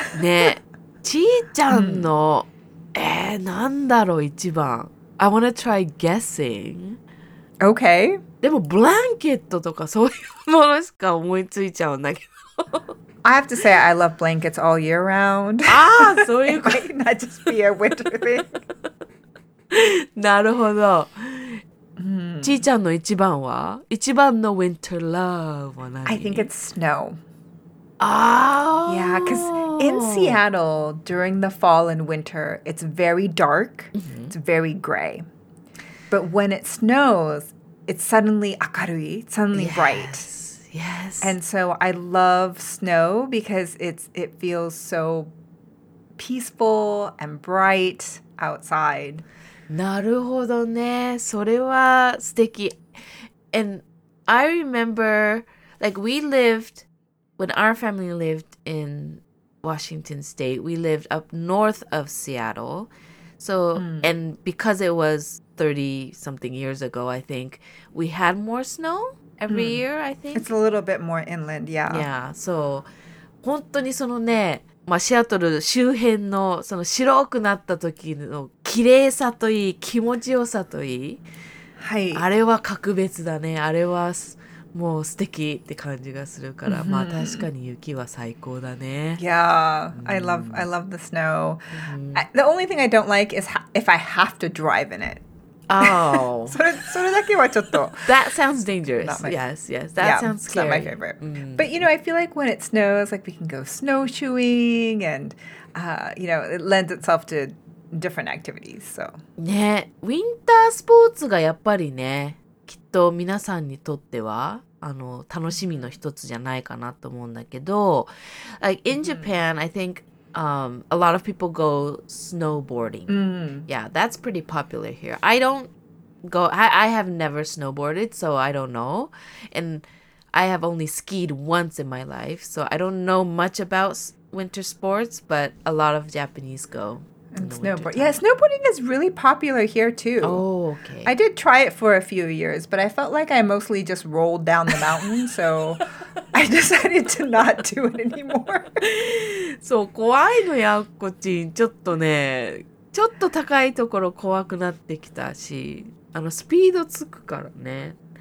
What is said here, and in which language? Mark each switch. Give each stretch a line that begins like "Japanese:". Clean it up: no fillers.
Japanese: ね、ちーちゃんの、なんだろう一番。
English: I want to try guessing. Okay.
Japanese: でもブランケットとかそういうものしか思いついちゃうんだけど。
English: I have to say I love blankets all year round.
Japanese: ああ、そういうこと。
English: It might not just be a winter thing.
Japanese: なるほど。ちーちゃんの一番は？一番の
English: winter love
Japanese: は何？
English: I think it's snow. ああ。 Yeah, because in Seattle during the fall and winter, it's very dark. It's very gray. But when it snows, it's suddenly
Japanese: 明るい,
English: suddenly yes, bright. Yes. And so I love snow because it feels so peaceful and bright outside.
Japanese: なるほどね。それは素敵。
English: And I remember, like we lived, when our family lived in Washington State, we lived up north of Seattle. So,、and because it was... 30-something years ago, I think, we had more snow every year, I think. It's a little bit more inland, yeah.
Japanese: Yeah, so, 本当にそのね、まあ、シアトル周辺のその白くなった時の綺麗さといい、気持ちよさといい、はい、あれは格別だね。あれはもう素敵って感じがするから、mm-hmm. まあ確かに雪は最高だね。
English: Yeah,、mm-hmm. I love the snow.、Mm-hmm. The only thing I don't like is if I have to drive in it. Oh.
Japanese: それだけはちょっと。
English: That sounds dangerous. Yes, yes. That sounds scary. It's not my favorite.、Mm-hmm. But you know, I feel like when it snows, like we can go snowshoeing and,、you know, it lends itself to different activities. So.
Japanese: ね、ウィンタースポーツがやっぱりね。きっと皆さんにとってはあの楽しみの一つじゃないかなと思うんだけど、
English: like in Japan、mm-hmm. I think、a lot of people go snowboarding、 mm-hmm. yeah that's pretty popular here. I don't go, I have never snowboarded, so I don't know, and I have only skied once in my life, so I don't know much about winter sports, but a lot of Japanese go Snowboard. Yeah, snowboarding is really popular here too. Oh, okay. I did try it for a few years, but I felt like I mostly just rolled down the mountain, so I decided to not do it anymore.
Japanese: そう、怖いのやっこちん。ちょっとね、ちょっと高いところ怖くなってきたし、あのスピードつくからね。